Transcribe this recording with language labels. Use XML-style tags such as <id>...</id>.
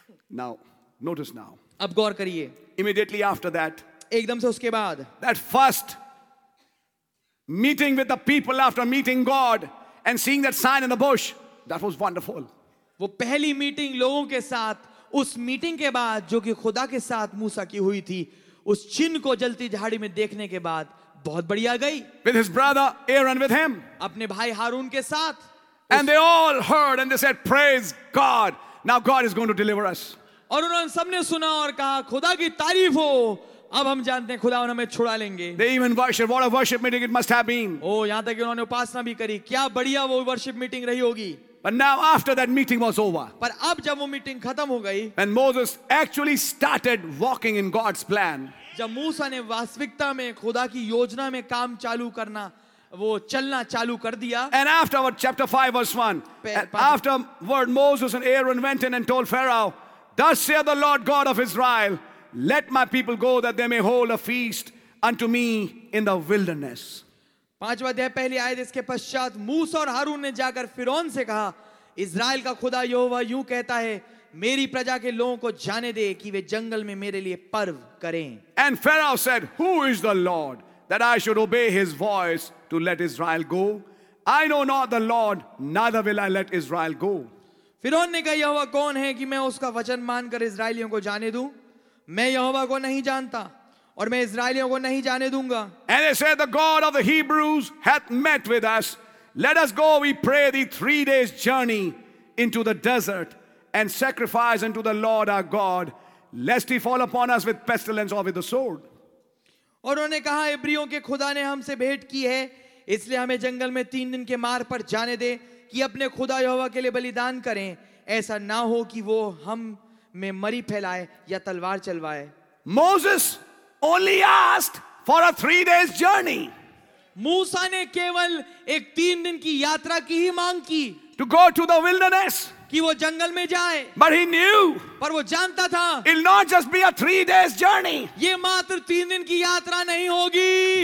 <en>Now, notice now.</en> <hi>अब गौर करिए.</hi> <en>Immediately after that.</en> <hi>एकदम से उसके बाद.</hi> <en>That first meeting with the people after meeting God and seeing that sign in the bush, that was wonderful.</en> <hi>वो पहली meeting लोगों के साथ, उस मीटिंग के बाद जो कि खुदा के साथ मूसा की हुई थी, उस चिन्ह को जलती झाड़ी में देखने के बाद बहुत बढ़िया गई.</hi> <en>With his brother Aaron with him.</en> <hi>अपने भाई हारून के साथ.</hi> <en>And they all heard and they said, "Praise God! Now God is going to deliver us."</en> <hi>और उन्होंने सबने सुना और कहा, खुदा की तारीफ हो, अब हम जानते हैं खुदा हमें छुड़ा लेंगे.</hi> <en>They even worship. What a worship meeting it must have been.</en> <hi>Oh, यहाँ तक उन्होंने उपासना भी करी. क्या बढ़िया वो वर्शिप मीटिंग रही होगी.</hi> <en>But now after that meeting was over.</en> <hi>पर अब जब वो मीटिंग खत्म हो गई.</hi> <en>And Moses actually started walking in God's plan.</en> <hi>जब मूसा ने वास्तविकता में खुदा की योजना में काम चालू करना, वो चलना चालू कर दिया.</hi> <en>And afterward, chapter 5 verse 1. Afterward, Moses and Aaron went in and told Pharaoh, "Thus saith the Lord God of Israel, let my people go that they may hold a feast unto me in the wilderness."</en> <hi>पांचवा अध्याय पहली आयत. इसके पश्चात मूसा और हारून ने जाकर फिरौन से कहा, इज़राइल का खुदा यहोवा यूं कहता है, मेरी प्रजा के लोगों को जाने दे कि वे जंगल में मेरे लिए पर्व करें.</hi> <en>And Pharaoh said, who is the Lord that I should obey his voice to let Israel go? I know not the Lord, neither will I let Israel go.</en> <hi>फिरौन ने कहा, यहोवा कौन है कि मैं उसका वचन मानकर इज़राइलियों को जाने दूं? मैं यहोवा को नहीं जानता और मैं इज़राइलियों को नहीं जाने दूंगा.</hi> <en>And they said, "The God of the Hebrews hath met with us. Let us go, we pray thee, 3 days' journey into the desert and sacrifice unto the Lord our God, lest he fall upon us with pestilence or with the sword."</en> <hi>और उन्होंने कहा, इब्रियों के खुदा ने हमसे भेंट की है, इसलिए हमें जंगल में 3 दिन के मार पर जाने दे कि अपने खुदा यहोवा के लिए बलिदान करें, ऐसा ना हो कि वो हम में मरी फैलाए या तलवार चलवाए.</hi> <en>Moses only asked for a 3 days journey.</en> <hi>मूसा ने केवल एक 3 दिन की यात्रा की ही मांग की.</hi> <en>To go to the wilderness.</en> <hi>कि वो जंगल में जाए.</hi> <en>But he knew.</en> <hi>पर वो जानता था.</hi> <en>It'll not just be a 3 days journey.</en> <hi>ये मात्र 3 दिन की यात्रा नहीं होगी.</hi>